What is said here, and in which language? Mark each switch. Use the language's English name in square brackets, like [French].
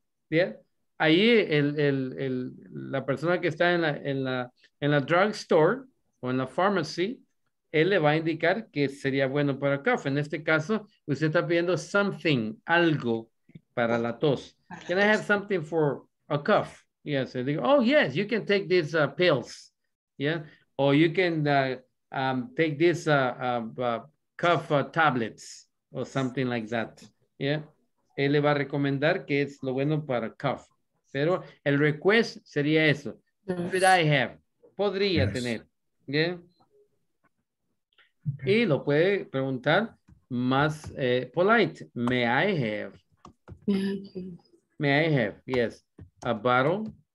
[Spanish] Bien, ahí la persona que está en la drugstore o en la pharmacy, él le va a indicar que sería bueno para cough. En este caso, usted está pidiendo something, algo para la tos. [English] Can I have something for a cough? Yes, and they go, oh yes, you can take these pills. Yeah, or you can take these cough tablets or something like that. Yeah. [Spanish] Él le va a recomendar que es lo bueno para cough. Pero el request sería eso. [English] Could I have? [Spanish] Podría tener. Bien. Okay. Y lo puede preguntar más polite. [English] May I have? May I have? Yes. A bottle.